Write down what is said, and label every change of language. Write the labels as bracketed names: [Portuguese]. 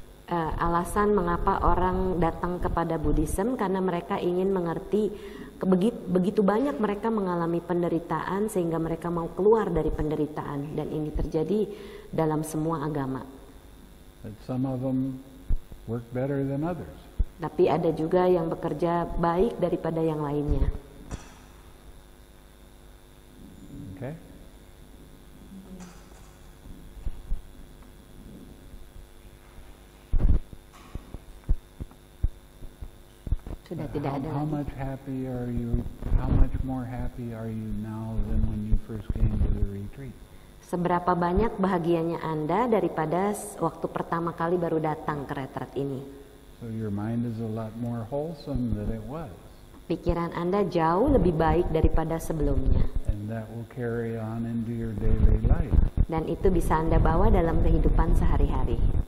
[Indonesian] Alasan mengapa orang datang kepada Buddhism karena mereka ingin mengerti begitu banyak mereka mengalami penderitaan sehingga mereka mau keluar dari penderitaan, dan ini terjadi dalam semua agama. [English] But some of them work better than others. [Indonesian] Tapi ada juga yang bekerja baik daripada yang lainnya. Okay. [English] How much happier are you? How much more happy are you now than when you first came to the retreat? [Indonesian] Seberapa banyak bahagianya Anda daripada waktu pertama kali baru datang ke retreat ini? [English] So your mind is a lot more wholesome than it was. [Indonesian] Pikiran Anda jauh lebih baik daripada sebelumnya. [English] And that will carry on into your daily life. [Indonesian] Dan itu bisa Anda bawa dalam kehidupan sehari-hari.